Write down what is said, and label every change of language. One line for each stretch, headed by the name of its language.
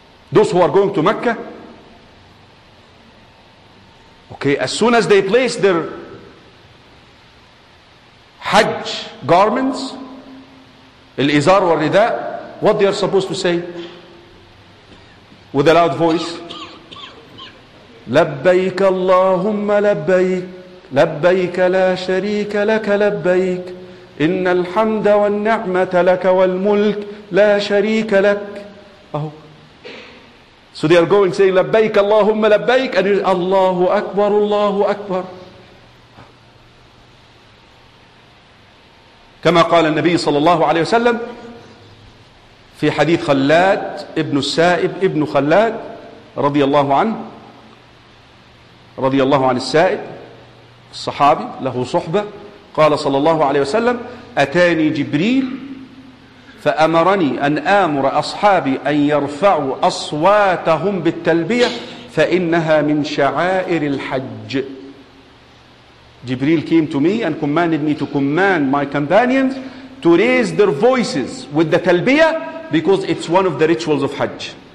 English: Those who are going to Mecca? Okay, as soon as they place their Hajj garments, Al-Izar wa Rida, what they are supposed to say? With a loud voice.
Arabic: لبيك اللهم لبيك لبيك لا شريك لك لبيك إن الحمد والنعمة لك والملك لا شريك لك.
English: Oh. So they are going saying
Arabic: لبيك اللهم لبيك
English: and
Arabic: الله أكبر الله أكبر. كما قال النبي صلى الله عليه وسلم في حديث خلاد ابن السائب ابن خلاد رضي الله عنه رضي الله عن السائب الصحابي له صحبة قال صلى الله عليه وسلم أتاني جبريل فأمرني أن آمر أصحابي أن يرفعوا أصواتهم بالتلبية فإنها من شعائر الحج.
English: جبريل came to me and commanded me to command my companions to raise their voices with the talbiyah because it's one of the rituals of Hajj.